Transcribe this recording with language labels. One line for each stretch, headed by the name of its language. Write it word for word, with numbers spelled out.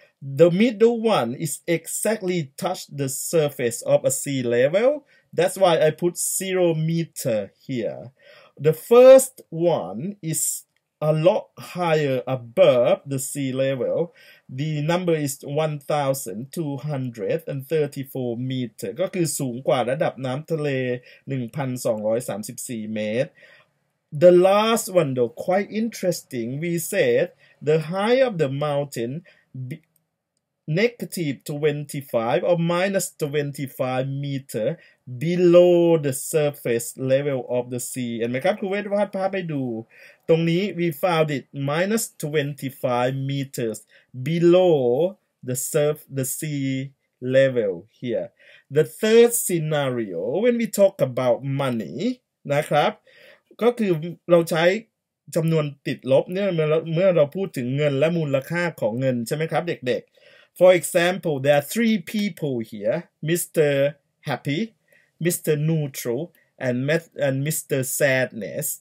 English: The middle one is exactly touched the surface of a sea level. That's why I put zero meter here. The first one is a lot higher above the sea level. The number is one thousand two hundred thirty-four meter.
Thai: ก็คือสูงกว่าระดับน้ำทะเล หนึ่งพันสองร้อยสามสิบสี่ เมตร
English: The last one though, quite interesting. We said the height of the mountain be negative twenty-five or minus twenty-five meter below the surface level of the sea.
Thai: เห็นไหมครับครูเวทวาดภาพให้ดูตรงนี้
English: we found it minus twenty-five meters below the surf the sea level here. The third scenario when we talk about money
Thai: นะครับก็คือเราใช้จำนวนติดลบเนี่ยเมื่อเมื่อเราพูดถึงเงินและมูลค่าของเงินใช่ไหมครับเด็กๆ
English: For example, there are three people here: Mister Happy, Mister Neutral, and and Mister Sadness.